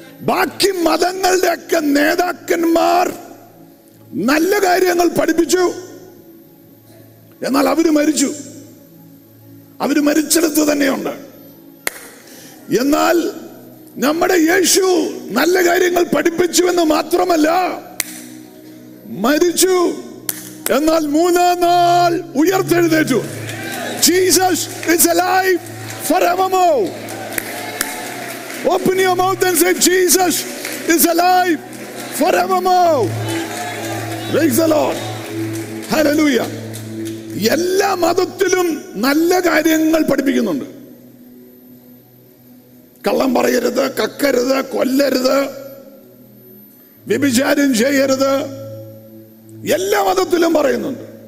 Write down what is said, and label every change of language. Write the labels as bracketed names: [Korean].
[Malayalam] ബാക്കി മതങ്ങളുടെയൊക്കെ നേതാക്കന്മാർ നല്ല കാര്യങ്ങൾ പഠിപ്പിച്ചു, എന്നാൽ അവര് മരിച്ചു, അവര് മരിച്ചെടുത്ത് തന്നെയുണ്ട്. എന്നാൽ നമ്മുടെ യേശു നല്ല കാര്യങ്ങൾ പഠിപ്പിച്ചു എന്ന് മാത്രമല്ല, മരിച്ചു, എന്നാൽ 3-ാം നാൾ ഉയർത്തെഴുന്നേറ്റു. [English] Jesus is alive forevermore. Open your mouth and say, Jesus is alive forevermore. Praise the Lord. Hallelujah. [Malayalam] എല്ലാ മതത്തിലും നല്ല കാര്യങ്ങൾ പഠിപ്പിക്കുന്നുണ്ട്. കള്ളം പറയരുത്, കക്കരുത്, കൊല്ലരുത്, വ്യഭിചാരം ചെയ്യരുത്, എല്ലാ മതത്തിലും പറയുന്നുണ്ട്.